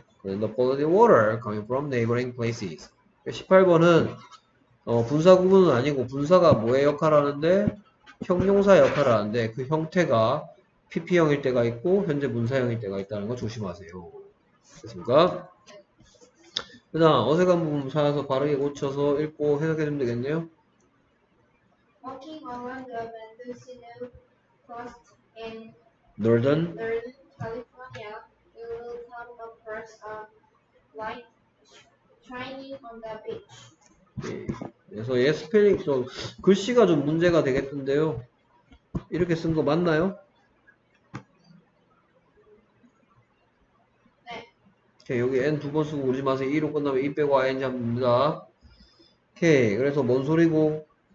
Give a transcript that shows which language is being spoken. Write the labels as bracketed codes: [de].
[en] clean the quality water coming from neighboring places. [ko] 18번은 분사 구분은 아니고 분사가 뭐의 역할을 하는데? 형용사 역할을 하는데 그 형태가 PP형일 때가 있고 현재 문사형일 때가 있다는 거 조심하세요. 됐습니까? 그 다음 어색한 부분 찾아서 바르게 고쳐서 읽고 해석해 주면 되겠네요. [en] Walking along the Mendocino Coast in Northern California, you will come across a light shining on the beach. [ko] 그래서 얘 스펠링 좀 글씨가 좀 문제가 되겠던데요. 이렇게 쓴 거 맞나요? 오케이, 여기 N 두 번 쓰고 오지 마세요. E로 끝나면 E 빼고 I, N 잡니다. 오케이, 그래서 뭔 소리고?